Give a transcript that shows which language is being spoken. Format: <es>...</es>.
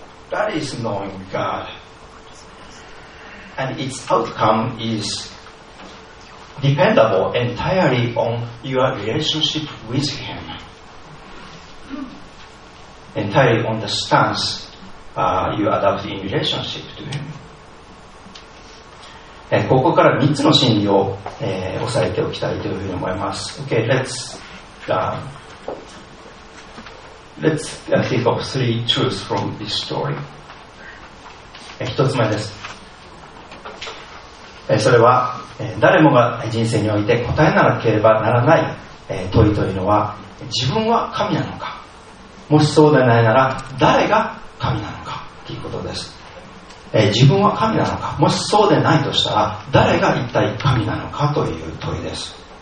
<en>That is knowing God. And its outcome is dependable entirely on your relationship with Him. Entirely on the stance you adopt in relationship to Him.</en> <ja>And ここから3つの真理を、押さえておきたいというふうに思います。</ja> <en>Okay, let's think of three truths from this story.</en> <ja>1つ目です。それは、誰もが人生において答えなければならない問いというのは、自分は神なのか、もしそうでないなら誰が神なのかということです。自分は神なのか、もしそうでないとしたら誰が一体神なのかという問いです。</ja>